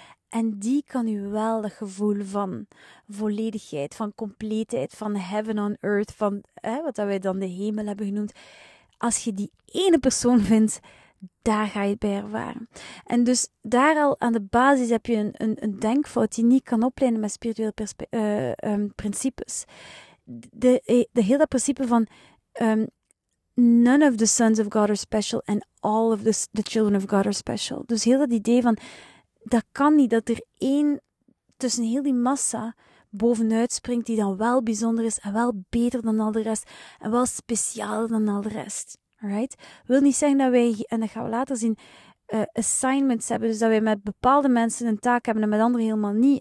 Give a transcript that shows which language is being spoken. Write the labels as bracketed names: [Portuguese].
[Dutch] En die kan u wel dat gevoel van volledigheid, van compleetheid, van [English] heaven on earth, [Dutch] van wat dat wij dan de hemel hebben genoemd. Als je die ene persoon vindt, daar ga je het bij ervaren. En dus daar al aan de basis heb je een denkfout die niet kan opleiden met spirituele principes. De hele principe van [English] none of the sons of God are special and all of the children of God are special. [Dutch] Dus heel dat idee van, dat kan niet dat er één tussen heel die massa bovenuit springt die dan wel bijzonder is en wel beter dan al de rest en wel specialer dan al de rest. Right? Wil niet zeggen dat wij, en dat gaan we later zien, assignments hebben, dus dat wij met bepaalde mensen een taak hebben en met anderen helemaal niet.